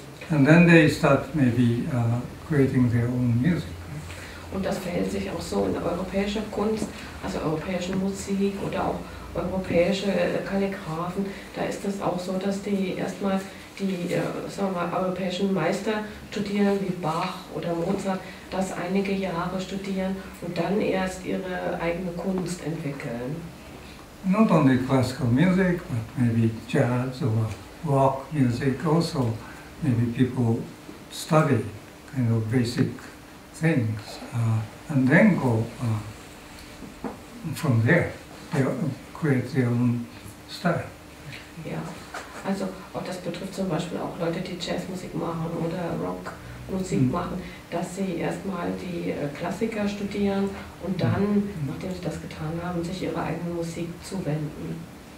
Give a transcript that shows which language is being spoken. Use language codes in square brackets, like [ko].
[en] And then they start maybe creating their own music. [de] Und das verhält sich auch so in europäischer Kunst, also europäischen Musik oder auch europäische Kalligraphen, da ist das auch so, dass die erstmal die sagen wir, europäischen Meister studieren, wie Bach oder Mozart, das einige Jahre studieren und dann erst ihre eigene Kunst entwickeln. [en] Not only classical music, but maybe jazz or rock music also. Maybe people study kind of basic things and then go from there. They create their own style. [de] Ja, also auch das betrifft zum Beispiel auch Leute, die Jazzmusik machen oder Rockmusik machen, dass sie erstmal die Klassiker studieren und dann, nachdem sie das getan haben, sich ihrer eigenen Musik zuwenden.